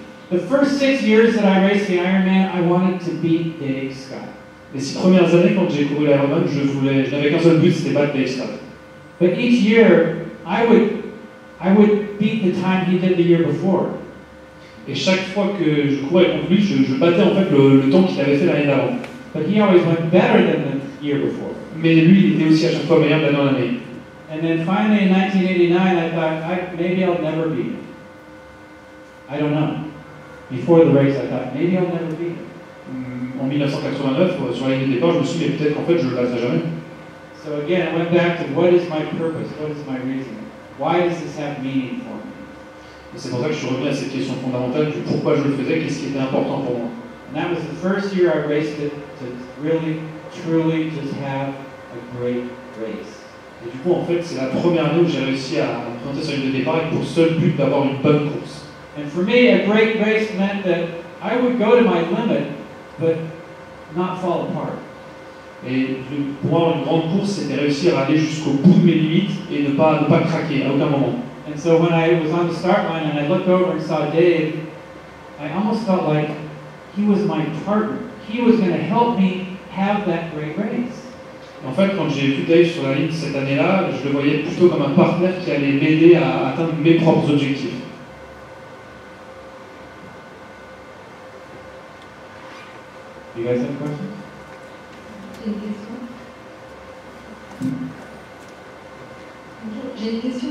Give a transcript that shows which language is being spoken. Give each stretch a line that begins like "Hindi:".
English: The first 6 years that I raced the Ironman, I wanted to beat Dave Scott.
French: Les six premières années quand j'ai couru l'Ironman, je n'avais qu'un seul but, c'était battre Dave Scott.
English: But each year, I would beat the time he did the year before.
French: Et chaque fois que je courais contre lui, je battais en fait le temps qu'il avait fait l'année d'avant.
English: But he always went better than the year before.
French: Mais lui, il était aussi à chaque fois meilleur d'année en année.
English: And then finally, in 1989, I thought, maybe I'll never beat him. I don't know. Before the race, I thought, maybe I'll never beat him.
French: En 1989, sur la ligne de départ, je me suis dit, peut-être qu'en fait, je ne le battrai jamais.
English: So again, I went back to, what is my purpose? What is my reason? Why does this have meaning for me?
French: Et c'est pour ça que je suis revenu à cette question fondamentale du pourquoi je le faisais, qu'est-ce qui était important pour moi.
English: And that was the first year I raced it to really, truly just have a great race.
French: Et du coup, en fait, c'est la première année où j'ai réussi à présenter sur la ligne de départ pour seul but d'avoir une bonne course.
English: And for me, a great race meant that I would go to my limit, but not fall apart.
French: Et pour moi, une grande course, c'était réussir à aller jusqu'au bout de mes limites et ne pas craquer à aucun moment.
English: And so when I was on the start line and I looked over and saw Dave, I almost felt like he was my partner. He was going to help me have that great race.
French: En fait, quand j'ai vu Dave sur la ligne cette année-là, je le voyais plutôt comme un partenaire qui allait m'aider à atteindre mes propres objectifs.
English: You guys have questions?
French: J'ai une question. Bonjour, j'ai une question.